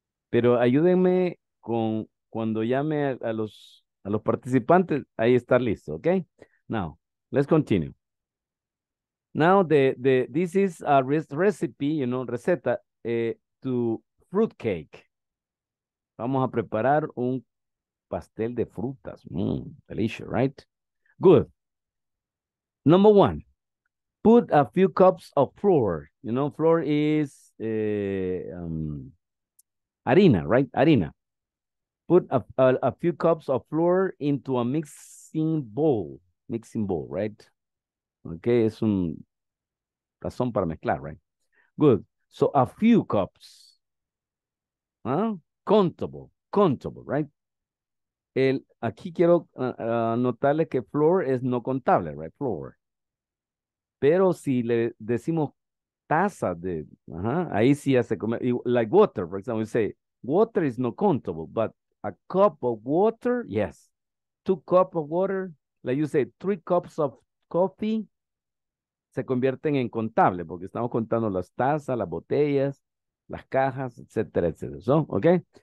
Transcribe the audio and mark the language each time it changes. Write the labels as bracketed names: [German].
[Spanish] Pero ayúdenme con cuando llame a los participantes, ahí estar listo. [English] Okay? Now, let's continue. Now, this is a recipe, you know, receta, to fruitcake. [Spanish] Vamos a preparar un pastel de frutas. [English] Delicious, right? Good. Number 1. Put a few cups of flour. You know, flour is harina, right? Harina. Put a few cups of flour into a mixing bowl. Mixing bowl, right? [Spanish] Okay, es un tazón para mezclar, [English] right? Good. So, a few cups. Countable, right? [Spanish] Aquí quiero anotarle que flour es no contable, right? Flour. Pero si le decimos taza de, ahí sí ya se come. [English] Like water, for example, you say, water is no countable, but a cup of water, yes. 2 cups of water, like you say, 3 cups of coffee, [Spanish] se convierten en contable, porque estamos contando las tazas, las botellas, las cajas, etcétera, etcétera. [English] So, okay?